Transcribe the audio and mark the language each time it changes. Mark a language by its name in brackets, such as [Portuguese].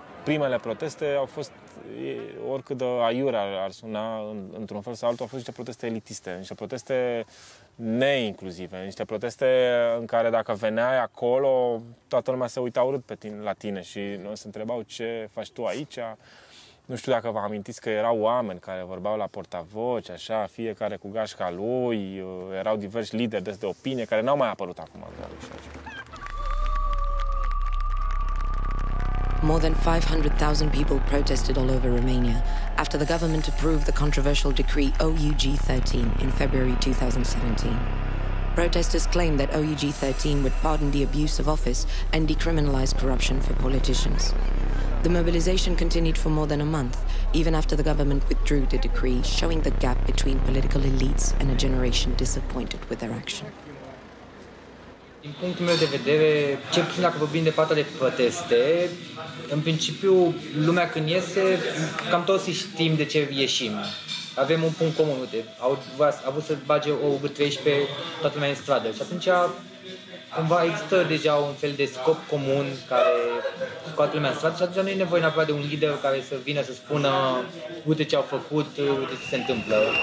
[Romanian] Primele proteste au fost, oricât de aiure ar suna, într-un fel sau altul, au fost niște proteste elitiste, niște proteste neinclusive, niște proteste în care dacă veneai acolo, toată lumea se uita urât pe tine, la tine și noi se întrebau ce faci tu aici. Nu știu dacă vă amintiți că erau oameni care vorbeau la portavoce, așa, fiecare cu gașca lui, erau diversi lideri de opinie care n-au mai apărut acum. [English] More than 500,000 people protested all over Romania after the government approved the controversial decree OUG-13 in February 2017. Protesters claimed that OUG-13 would pardon the abuse of office and decriminalize corruption for politicians. The mobilization continued for more than a month, even after the government withdrew the decree, showing the gap between political elites and a generation disappointed with their action. [Romanian] Din punctul meu de vedere, cel puțin dacă vorbim de partea de proteste, în principiu, lumea când iese, cam toți știm de ce ieșim. Avem un punct comun, uite, a vrut să bage OUG-13 toată lumea în stradă și atunci cumva există deja un fel de scop comun care scoate lumea în stradă și atunci nu e nevoie neapărat de un lider care să vină să spună uite ce au făcut, uite ce se întâmplă.